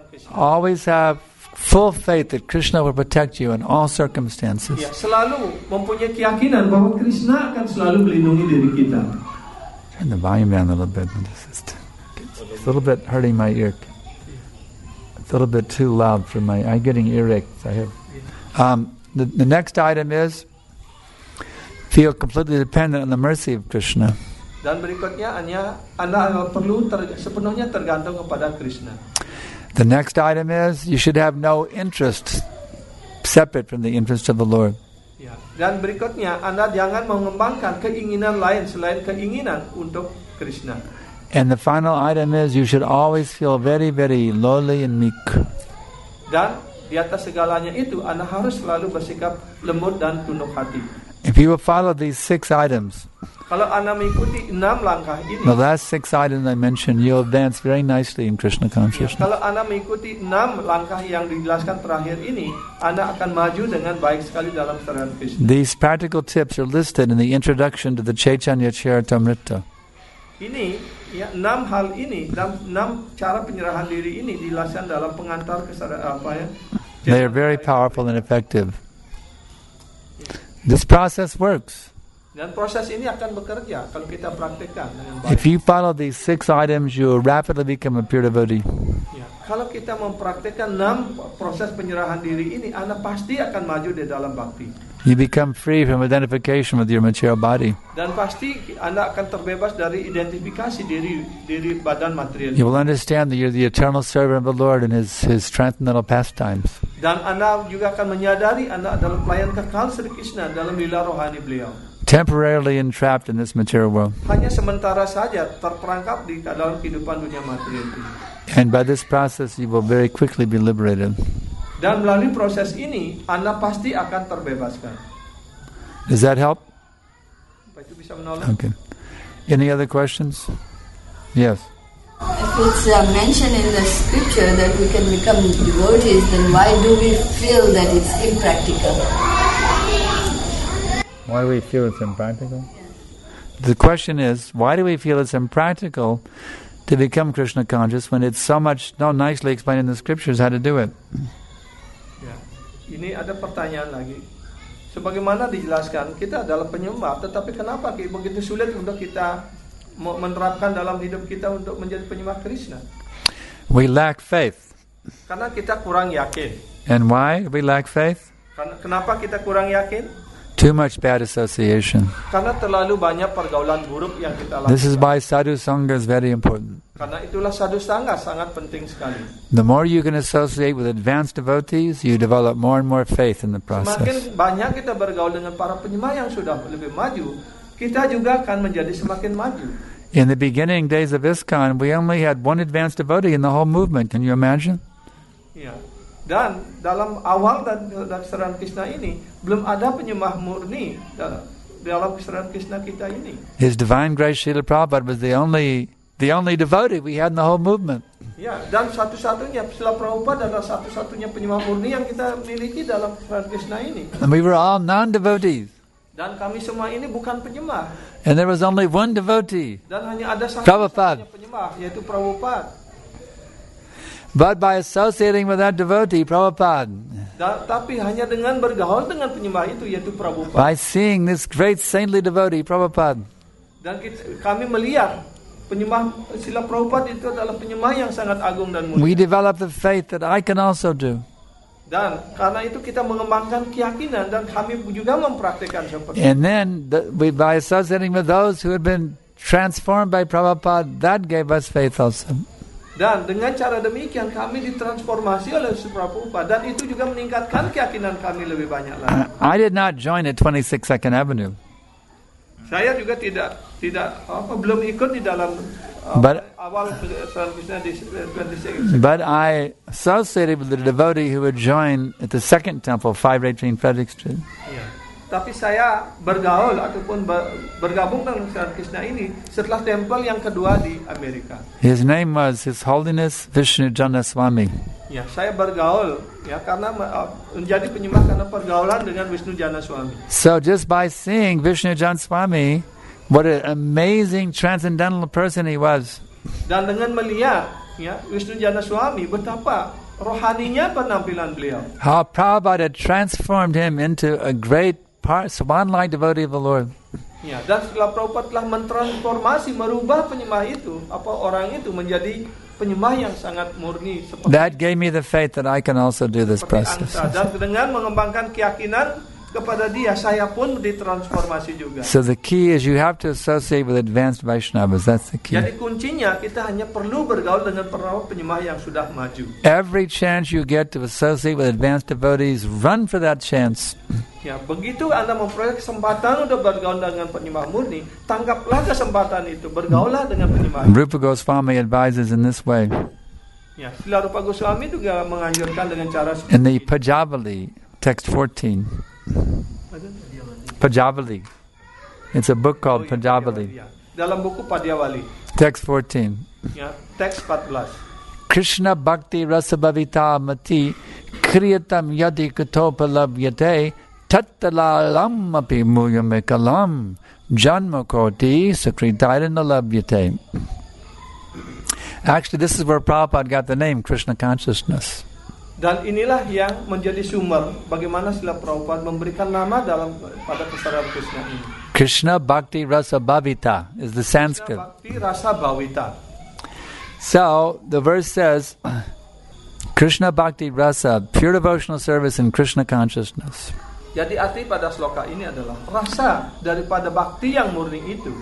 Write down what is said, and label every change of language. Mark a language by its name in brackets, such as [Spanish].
[English] Always have full faith that Krishna will protect you in all circumstances. [Indonesian] Selalu mempunyai keyakinan bahwa Krishna akan selalu melindungi diri kita. [English] Turn the volume down a little bit. It's a little bit hurting my ear. It's a little bit too loud for my. I'm getting earaches. I have. The next item is feel completely dependent on the mercy of Krishna. [Indonesian] Dan berikutnya hanya Anda perlu sepenuhnya tergantung kepada Krishna. [English] The next item is you should have no interest separate from the interest of the Lord. [Indonesian] Dan berikutnya Anda jangan mengembangkan keinginan lain selain keinginan untuk Krishna. [English] And the final item is you should always feel very very lowly and meek. [Indonesian] Dan di atas segalanya itu Anda harus selalu bersikap lembut dan tunduk hati. [English] If you will follow these six items. [Indonesian] Kalau Anda mengikuti enam langkah ini. [English] The last six items I mentioned, you'll advance very nicely in Krishna consciousness. [Indonesian] Kalau Anda mengikuti enam langkah yang dijelaskan terakhir ini, Anda akan maju dengan baik sekali dalam serangan Krishna. [English] These practical tips are listed in the introduction to the Chaitanya Charitamrita. [Indonesian] Ini, enam hal ini, enam cara penyerahan diri ini dijelaskan dalam pengantar [English] They are very powerful and effective. This process works. [Indonesian] Dan proses ini akan bekerja kalau kita praktikkan dengan baik. [English] If you follow these six items, you will rapidly become a pure devotee. [Indonesian] Kalau kita mempraktikkan enam proses penyerahan diri ini, Anda pasti akan maju di dalam bhakti. [English] You become free from identification with your material body. [Indonesian] Dan pasti Anda akan terbebas dari identifikasi diri badan material. [English] You will understand that you're the eternal servant of the Lord in his transcendental pastimes. [Indonesian] Dan Anda juga akan menyadari Anda adalah pelayan kekal Sri Krishna dalam lila rohani beliau. [English] Temporarily entrapped in this material world. [Indonesian] Hanya sementara saja terperangkap di dalam kehidupan dunia material ini. [English] And by this process you will very quickly be liberated. [Indonesian] Dan melalui proses ini, Anda pasti akan terbebaskan. [English] Does that help? [Indonesian] Apa itu bisa menolong? [English] Okay. Any other questions? Yes. If it's mentioned in the scripture that we can become devotees, then why do we feel that it's impractical? Why do we feel it's impractical? Yeah. The question is, why do we feel it's impractical to become Krishna conscious when it's so much, no, nicely explained in the scriptures how to do it? [Indonesian] Ini ada pertanyaan lagi. Sebagaimana dijelaskan, kita adalah penyembah, tetapi kenapa begitu sulit untuk kita menerapkan dalam hidup kita untuk menjadi penyembah Krishna? [English] We lack faith. [Indonesian] Karena kita kurang yakin. [English] And why we lack faith? [Indonesian] Kenapa kita kurang yakin? [English] Too much bad association. [Indonesian] Karena terlalu banyak pergaulan buruk yang kita lakukan. [English] This is why sadhu sangha is very important. [Indonesian] Karena itulah sadhu sangha sangat penting sekali. [English] The more you can associate with advanced devotees, you develop more and more faith in the process. [Indonesian] Semakin banyak kita bergaul dengan para penyembah yang sudah lebih maju, kita juga akan menjadi semakin maju. [English] In the beginning days of ISKCON, we only had one advanced devotee in the whole movement. Can you imagine? [Indonesian] Yeah. Dan dalam awal dan kesadaran Krishna ini belum ada penyembah murni dalam kesadaran Krishna kita ini. [English] His divine grace Srila Prabhupada was the only devotee we had in the whole movement. [Indonesian] Ya, dan satu-satunya Srila Prabhupada adalah satu-satunya penyembah murni yang kita miliki dalam kesadaran Krishna ini. [English] And we were all non-devotees. [Indonesian] Dan kami semua ini bukan penyembah. [English] And there was only one devotee. [Indonesian] Dan hanya ada satu-satunya penyembah, yaitu Prabhupada. [English] But by associating with that devotee, Prabhupada. [Indonesian] Tapi hanya dengan bergaul dengan penyembah itu, yaitu Prabhupada. [English] By seeing this great saintly devotee, Prabhupada. [Indonesian] Dan kami melihat penyembah Srila Prabhupada itu adalah penyembah yang sangat agung dan mulia. [English] We develop the faith that I can also do. [Indonesian] Dan karena itu kita mengembangkan keyakinan dan kami juga mempraktikkan seperti itu. [English] And then, by associating with those who had been transformed by Prabhupada, that gave us faith also. [Indonesian] Dan dengan cara demikian kami ditransformasi oleh Sri Prabhupada dan itu juga meningkatkan keyakinan kami lebih banyak lagi. [English] I did not join at 26 Second Avenue. [Indonesian] Saya juga belum ikut di dalam awal servisnya di 26. [English] But I associated with the devotee who had joined at the Second Temple, 518 Frederick Street. Yeah. [Indonesian] Tapi saya bergaul ataupun bergabung dengan Sri Krishna ini setelah tempel yang kedua di Amerika. [English] His name was His Holiness Vishnu Janda Swami. [Indonesian] Ya, saya bergaul ya karena menjadi penyembah karena pergaulan dengan Vishnu Janda Swami. [English] So just by seeing Vishnu Janda Swami, what an amazing transcendental person he was. [Indonesian] Dan dengan melihat ya Vishnu Janda Swami betapa rohaninya penampilan beliau. [English] How Prabhupada transformed him into a great Swan-like devotee of the Lord. [Indonesian] Ya, dan Srila Prabhupada telah mentransformasi, merubah penyembah itu, apa orang itu menjadi penyembah yang sangat murni. [English] That gave me the faith that I can also do this process. [Indonesian] Dan dengan mengembangkan keyakinan kepada dia, saya pun ditransformasi juga. [English] So the key is you have to associate with advanced Vaishnavas. That's the key. [Indonesian] Jadi kuncinya kita hanya perlu bergaul dengan penyembah yang sudah maju. [English] Every chance you get to associate with advanced devotees, run for that chance. [Indonesian] Ya, begitu Anda memperoleh kesempatan untuk bergaul dengan penyembah murni, tangkaplah kesempatan itu, bergaullah dengan penyembah. [English] Rupa Goswami advises in this way. [Indonesian] Ya, Srila Rupa Goswami juga menganjurkan dengan cara seperti [English] in the Pajavali, text 14. Pajavali. It's a book called Pajavali. [Indonesian] Dalam buku Pajavali. [English] Text 14. [Indonesian] Ya, text 14. [Sanskrit] Krishna bhakti rasa bhavita mati kriyatam yadi katopa labhyate tattalalam api muyam ekalam janma koti sukritairana labhyate. [English] Actually, this is where Prabhupada got the name Krishna consciousness. [Indonesian] Dan inilah yang menjadi sumber bagaimana Srila Prabhupada memberikan nama dalam pada kesadaran Krishna ini. [English] Krishna bhakti rasa bhavita is the Sanskrit. [Sanskrit] Krishna bhakti rasa bhavita. [English] So the verse says, Krishna bhakti rasa, pure devotional service in Krishna consciousness. [Indonesian] Jadi arti pada sloka ini adalah rasa daripada bakti yang murni itu